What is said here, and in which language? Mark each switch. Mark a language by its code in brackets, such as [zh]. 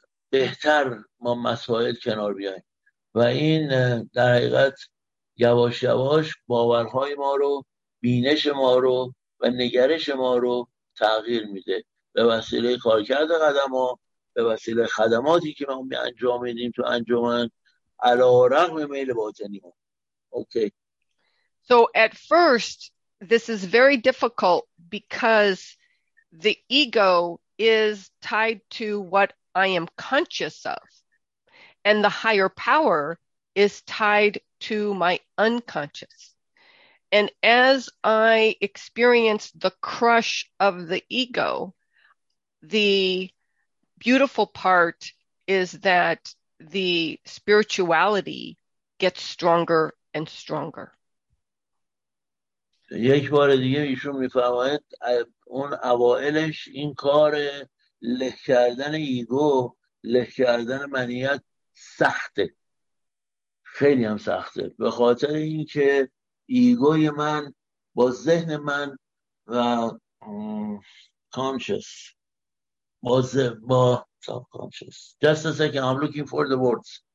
[fa] بهتر ما مسائل کنار بیاییم و این در حقیقت یواش یواش باورهای ما رو، بینش ما رو و نگرش ما رو تغییر میده به وسیله کارکرد قدم ها، به وسیله خدماتی که ما می انجام میدیم تو انجمن علی‌رغم میل باطنی ما. [en] Okay. So at first this is very difficult because the ego is tied to what I am conscious of, and the higher power is tied to my unconscious. And as I experience the crush of the ego, the beautiful part is that the spirituality gets stronger and stronger. [fa] یک بار دیگه ایشون میفرماید اون اوائلش این کار له کردن ایگو، له کردن منیت سخته، خیلی هم سخته، به خاطر اینکه ایگوی من با ذهن من و کانشس با ذهن با subconscious. [en] Just a second, I'm looking for the words.